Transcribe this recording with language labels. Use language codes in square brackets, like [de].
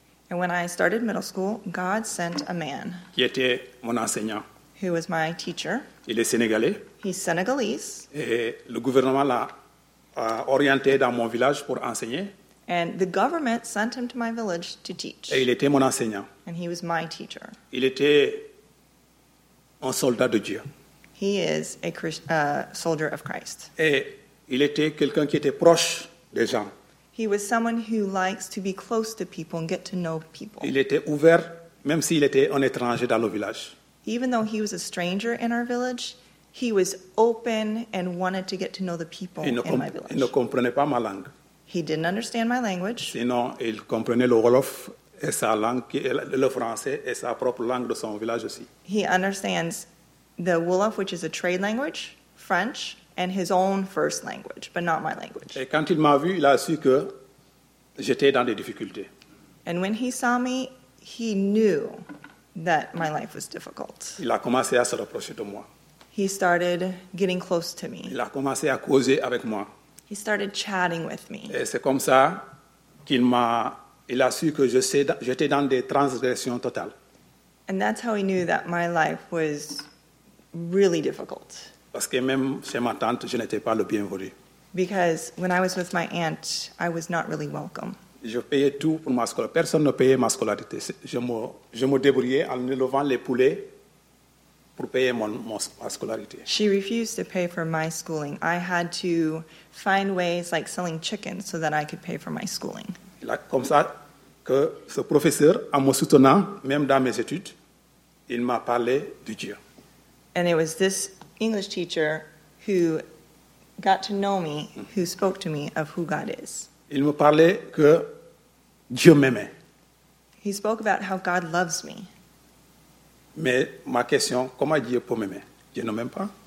[en] And when I started middle school, God sent a man. [fr] Qui était mon enseignant. [en] Who was my teacher. [fr] Il est sénégalais. [en] He's Senegalese. [fr] Et le gouvernement l'a orienté dans mon village pour enseigner. [en] And the government sent him to my village to teach. [fr] Et il était mon enseignant. [en] And he was my teacher. [fr] Il était un soldat de Dieu. [en] He is a soldier of Christ. [fr] Et il était quelqu'un qui était proche des gens. [en] He was someone who likes to be close to people and get to know people. [fr] Il était ouvert, même s'il était un étranger dans le village. [en] Even though he was a stranger in our village, he was open and wanted to get to know the people in my village. [fr] Il ne comprenait pas ma langue. [en] He didn't understand my language. [fr] Sinon, il comprenait le Wolof et sa langue, le français et sa propre langue de son village aussi. [en] He understands the Wolof, which is a trade language, French, and his own first language, but not my language. [fr] Et quand il m'a vu, il a su que j'étais dans des difficultés. [en] And when he saw me, he knew that my life was difficult. [fr] Il a commencé à se rapprocher de moi. [en] He started getting close to me. [fr] Il a commencé à causer avec moi. [en] He started chatting with me. [fr] Et c'est comme ça qu'il m'a, il a su que j'étais dans des transgressions totales. [en] And that's how he knew that my life was really difficult. [fr] Parce que même chez ma tante, je n'étais pas le bienvenu. [en] Because when I was with my aunt, I was not really welcome. [fr] Je payais tout pour ma scolarité. Personne ne payait ma scolarité. Je me débrouillais en élevant les poulets pour payer ma scolarité. [en] She refused to pay for my schooling. I had to find ways like selling chickens so that I could pay for my schooling. [fr] Là, comme ça que ce professeur, en me soutenant, même dans mes études, il m'a parlé de Dieu. [en] And it was this English teacher who got to know me, who spoke to me of who God is. [fr] Il me parlait que Dieu m'aimait. [en] He spoke about how God loves me. [fr] Mais ma question, comment Dieu peut m'aimer? Dieu ne m'aime pas.